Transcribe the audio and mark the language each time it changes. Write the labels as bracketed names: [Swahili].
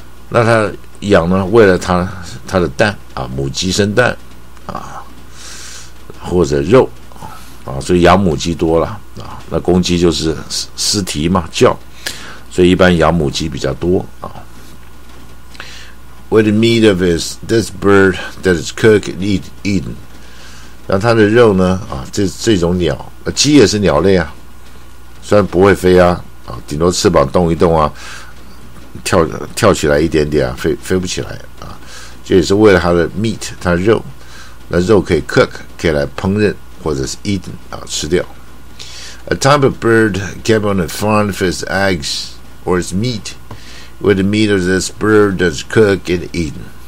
[Chinese] 那他养呢，为了他的蛋啊，母鸡生蛋啊，或者肉啊，所以养母鸡多了啊。那公鸡就是啼嘛叫，所以一般养母鸡比较多啊。 [English] With the meat of this bird that is cooked and eaten。 [Chinese] 然后它的肉呢啊，这种鸟、啊、鸡也是鸟类啊，虽然不会飞啊啊，顶多翅膀动一动啊，跳起来一点点啊，飞不起来啊，这也是为了它的 meat 它的肉，那肉可以 cook 可以来烹饪或者是 eaten 啊吃掉。 [English] A type of bird kept on a farm for its eggs or its meat, with the meat of this bird that's cooked and eaten.